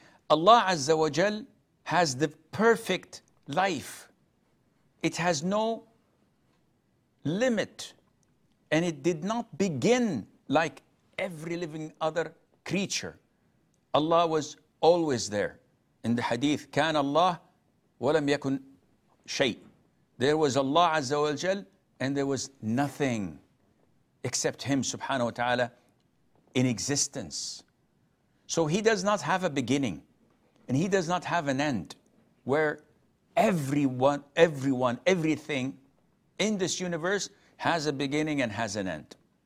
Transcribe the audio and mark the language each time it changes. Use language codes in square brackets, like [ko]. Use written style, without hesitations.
[en] Allah Azza wa Jal has the perfect life. It has no limit, and it did not begin like every living other creature. Allah was always there. In the hadith, [ar] كان الله ولم يكن شيء. [en] There was Allah Azza wa Jal, and there was nothing except him, subhanahu wa ta'ala, in existence. So he does not have a beginning, and he does not have an end, where everyone, everything in this universe has a beginning and has an end.